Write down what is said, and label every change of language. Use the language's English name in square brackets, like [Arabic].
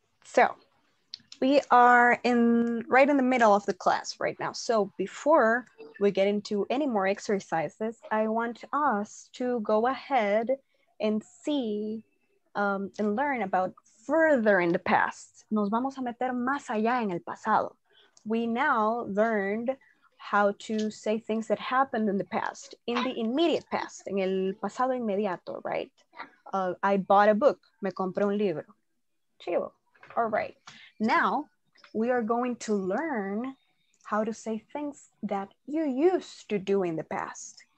[English] So we are right in the middle of the class right now. So before we get into any more exercises, I want us to go ahead and see and learn about further in the past. [Spanish] Nos vamos a meter más allá en el pasado. [English] We now learned how to say things that happened in the past, in the immediate past, [Spanish] en el pasado inmediato, [English] right? I bought a book. [Spanish] Me compré un libro. Chivo. [English] All right. Now, we are going to learn how to say things that you used to do in the past.